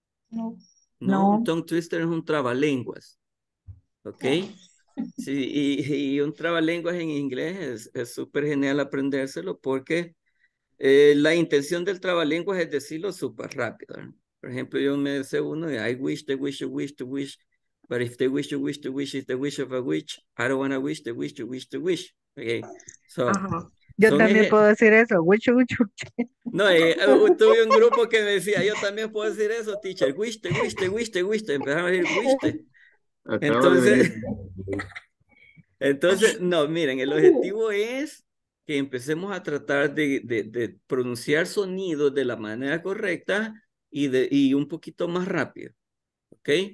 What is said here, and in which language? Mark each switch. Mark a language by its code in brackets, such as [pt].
[es] No. No, un tongue twister es un trabalenguas. Ok. Yeah. Sí, y un trabalenguas en inglés es súper genial aprendérselo porque la intención del trabalenguas es decirlo súper rápido. Por ejemplo, yo me sé uno de [en] I wish, they wish, you wish, to wish, but if they wish, you wish, to wish, it's the wish of a witch, I don't want to wish, they wish, you wish, to wish. Okay. So, [es] yo también puedo decir eso, wish, wish, wish. No, tuve un grupo que me decía, yo también puedo decir eso, teacher, [en] wish, they wish, they wish, [es] they wish, empezamos a decir wish. Entonces, no, miren, el objetivo es que empecemos a tratar de pronunciar sonidos de la manera correcta y un poquito más rápido, ¿ok?